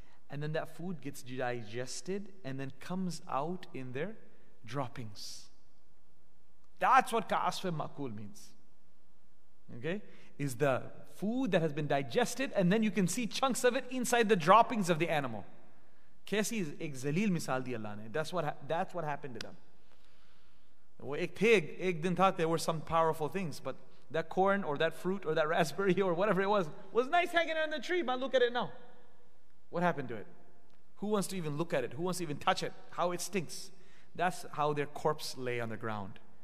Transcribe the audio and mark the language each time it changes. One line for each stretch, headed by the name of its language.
English: And then that food gets digested and then comes out in their droppings. That's what ka'asfim makul means. Okay? Is the food that has been digested and then you can see chunks of it inside the droppings of the animal.
Urdu: کیسی اس ایک ذلیل مثال دی اللہ نے۔
English: That's what happened to them.
Urdu: Ek din tha,
English: there were some powerful things, but that corn or that fruit or that raspberry or whatever it was nice hanging on the tree, but look at it now. What happened to it? Who wants to even look at it? Who wants to even touch it? How it stinks. That's how their corpse lay on the ground.